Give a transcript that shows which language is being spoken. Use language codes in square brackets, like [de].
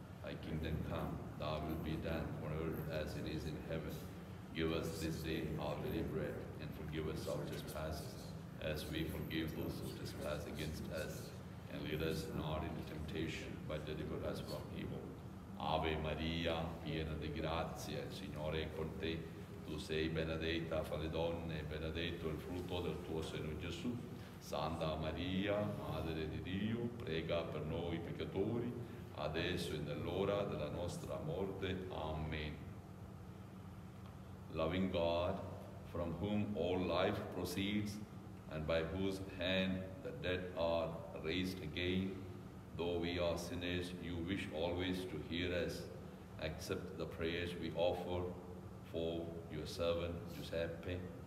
[en] Thy kingdom come, thy will be done on earth as it is in heaven. Give us this day our daily bread, and forgive us our trespasses, as we forgive those who trespass against us. And lead us not into temptation, but deliver us from evil. [it] Ave Maria, piena di grazia, il Signore è con te. Tu sei benedetta fra le donne, e benedetto il frutto del tuo seno, Gesù. Santa Maria, Madre di Dio, prega per noi peccatori, adesso e nell'ora della nostra morte. Amen. [en] Loving God, from whom all life proceeds, and by whose hand the dead are raised again, though we are sinners, you wish always to hear us. Accept the prayers we offer for your servant Giuseppe.